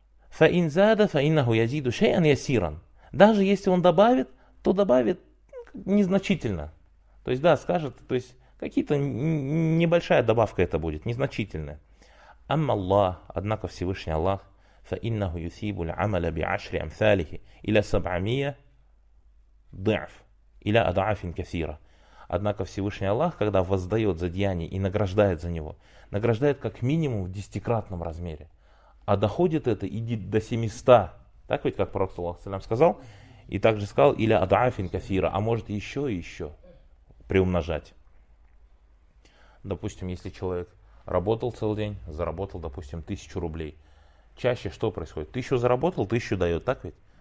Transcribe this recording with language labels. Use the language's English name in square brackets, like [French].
[Arabic] Фаин зада фаиннаху язиду шейан ясиран. [Russian] Даже если он добавит, то добавит незначительно. То есть да, скажет, то есть какие-то небольшая добавка это будет, незначительная. [Arabic] Амма Аллах, [Russian] однако Всевышний Аллах, [Arabic] فَإِنَّهُ يُثِيبُ الْعَمَلَ بِعَشْرِ أَمْثَالِهِ إِلَى سَبْعَمِيَ ضِعْف إِلَى أَضْعَافٍ كَثِيرَ. [Russian] Однако Всевышний Аллах, когда воздает за деяние и награждает за него, награждает как минимум в десятикратном размере. А доходит это и до 700. Так ведь, как Пророк Саллаллаху Алейхи Вассалям сказал? И также сказал, [Arabic] إِلَى أَضْعَافٍ كَثِيرَ. [Russian] А может еще и еще приумножать. Допустим, если человек работал целый день, заработал, допустим, 1000 рублей. Чаще что происходит? 1000 заработал, 1000 дает, так ведь?